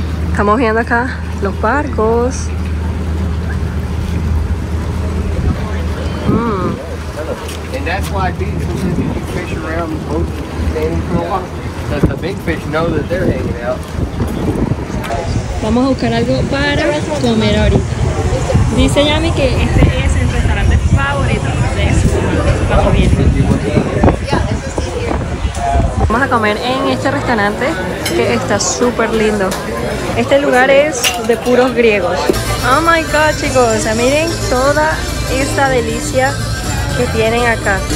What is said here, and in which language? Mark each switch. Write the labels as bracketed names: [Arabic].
[Spanish] Estamos viendo acá los barcos. [English] And that's why fish around the boat standing for a while. Because the big fish know that they're hanging out. [Spanish] Vamos a buscar algo para comer ahorita. Dice Yami que este es el restaurante favorito de su vamos bien. Vamos a comer en este restaurante que está súper lindo. Este lugar es de puros griegos. [English] Oh my god, [Spanish] chicos, o sea, miren toda esta delicia que tienen acá.